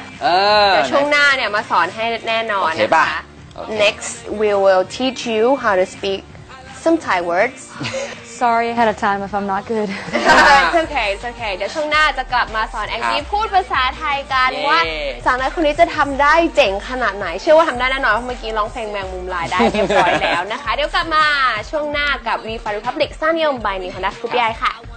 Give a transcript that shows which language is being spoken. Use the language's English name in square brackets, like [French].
[Thai] เดี๋ยวช่วงหน้าเนี่ยมาสอนให้แน่นอนนะคะ [English] Next we will teach you how to speak some Thai words Sorry ahead of time if I'm not good It's okay [Thai] เดี๋ยวช่วงหน้าจะกลับมาสอนแองจี้พูดภาษาไทยกันว่าสาวน้อยคนนี้จะทำได้เจ๋งขนาดไหนเชื่อว่าทำได้แน่นอนเพราะเมื่อกี้ร้องเพลงแมงมุมลายได้เรียบร้อยแล้วนะคะเดี๋ยวกลับมาช่วงหน้ากับ V for Republic สร้างยมบายนิคอนัสคุปยายค่ะ